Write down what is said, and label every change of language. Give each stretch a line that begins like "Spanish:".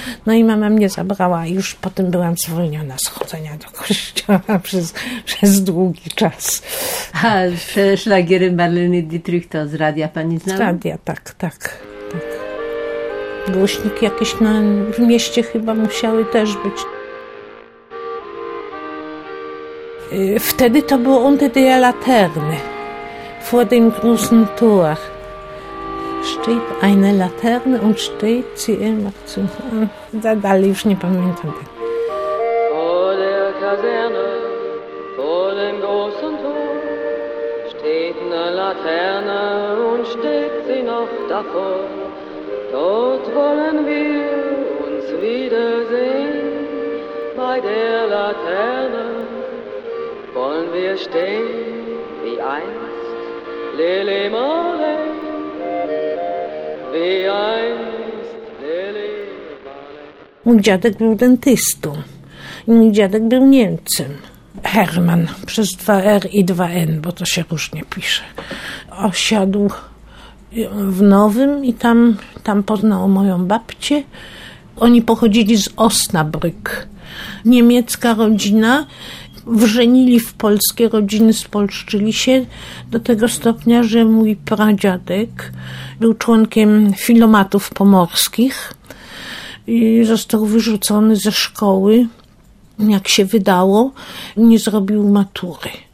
Polish: No i mama mnie zabrała, już potem byłam zwolniona z chodzenia do kościoła przez długi czas. A te szlagiery Marleny Dietrich to z radia pani znała? Z radia, tak. Głośnik jakieś w mieście chyba musiały też być. Wtedy to było
German: Unter der Laterne, vor dem großen Tor. Steht eine Laterne und steht sie immer zu.
Polish: Da dalej już nie pamiętam.
German: Vor der Kaserne, vor dem großen Tor, steht eine Laterne und steht sie noch davor. Dort wollen wir uns wiedersehen, bei der Laterne wollen wir stehen, wie einst Lili Marleen, wie einst Lili Marleen.
Polish: Mój dziadek był dentystą i mój dziadek był Niemcem. Herman, przez 2R i 2N, bo to się różnie pisze, osiadł w Nowym i tam poznał moją babcię. Oni pochodzili z Osnabrück. Niemiecka rodzina, wrzenili w polskie rodziny, spolszczyli się do tego stopnia, że mój pradziadek był członkiem filomatów pomorskich i został wyrzucony ze szkoły, jak się wydało, nie zrobił matury.